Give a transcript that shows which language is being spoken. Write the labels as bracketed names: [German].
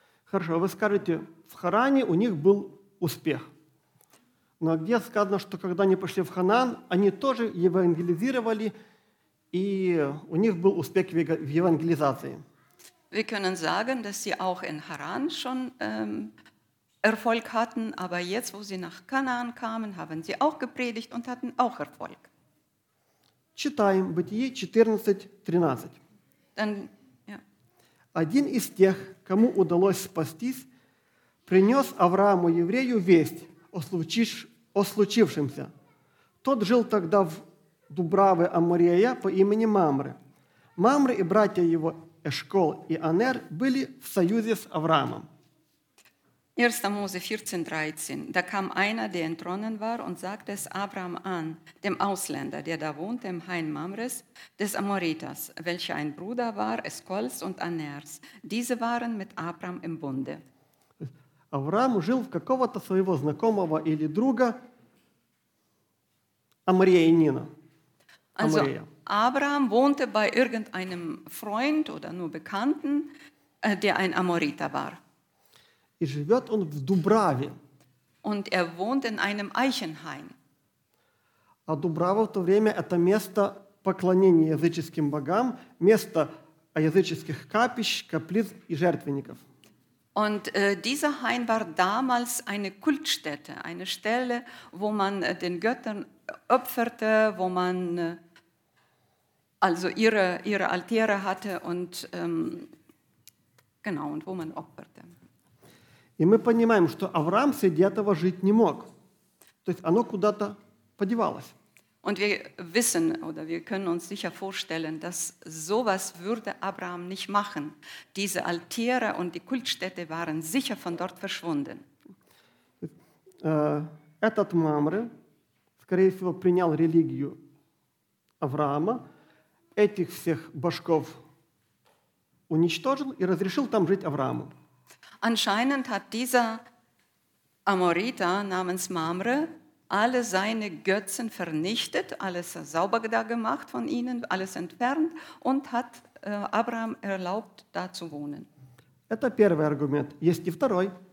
[Russian] Хорошо, вы скажете, в Харане у них был успех. Но где сказано, что когда они пошли в Ханан, они тоже евангелизировали, и у них был успех в евангелизации. [German] Wir können sagen, dass sie auch in Haran schon Erfolg hatten, aber jetzt, wo sie nach Kanaan kamen, haben sie auch gepredigt und hatten auch Erfolg. [Russian] Читаем Бытие 14:13. [German] Ja. [Russian] Один из тех, кому удалось спастись, принес Аврааму еврею весть о случившемся. Тот жил тогда в Дубраве Амурея по имени Мамре. Мамре и братья его Эшкол и Анер были в союзе с Авраамом. [German] 1. Mose 14:13. Da kam einer, der entronnen war, und sagte es Abraham an, dem Ausländer, der da wohnte, im Hain Mamres des Amoritas, welcher ein Bruder war Эшколs und Анерs. Diese waren mit Abraham im Bunde. [Russian] Авраам жил в какого-то своего знакомого или друга Амореянина. [German] Also Abraham wohnte bei irgendeinem Freund oder nur Bekannten, der ein Amoriter war. [Russian] И живет он в Дубраве. [German] Und er wohnt in einem Eichenhain. [Russian] А Дубрава в то время – это место поклонения языческим богам, место языческих капищ, каплиц и жертвенников. [German] Und dieser Hain war damals eine Kultstätte, eine Stelle, wo man den Göttern opferte, wo man also ihre Altäre hatte und genau, und wo man opferte. [Russian] И мы понимаем, что Авраам среди этого жить не мог. То есть оно куда-то подевалось. [German] Und wir wissen oder wir können uns sicher vorstellen, dass sowas würde Abraham nicht machen. Diese Altäre und die Kultstätte waren sicher von dort verschwunden. [Russian] Этот Мамре, скорее всего, принял религию Авраама, этих всех башков уничтожил и разрешил там жить Аврааму. [German] Anscheinend hat dieser Amorita namens Mamre alle seine Götzen vernichtet, alles sauber da gemacht von ihnen, alles entfernt und hat Abraham erlaubt, da zu wohnen. [Russian] Это первый аргумент. Есть и второй.